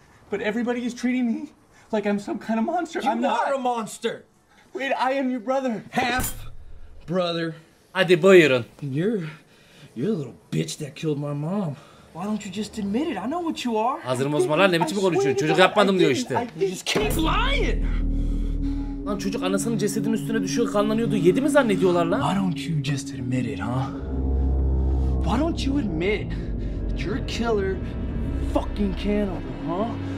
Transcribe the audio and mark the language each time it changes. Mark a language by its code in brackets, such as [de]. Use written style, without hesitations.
[en] But everybody is treating me like I'm some kind of monster. You I'm not. You are a monster. Wait, I am your brother. Half brother. [tr] Hadi buyurun. [en] You're a little bitch that killed my mom. Why don't you just admit it? I know what you are. [tr] Hazırım uzmanlar ne biçim konuşuyor? Çocuk yapmadım diyor işte. [en] You just keep lying. [tr] Lan çocuk anasının cesedinin üstüne düşüyor, kanlanıyordu. Yedi mi zannediyorlar lan? [en] Why don't you just admit it, huh? Why don't you admit that you're a killer fucking cannibal, huh?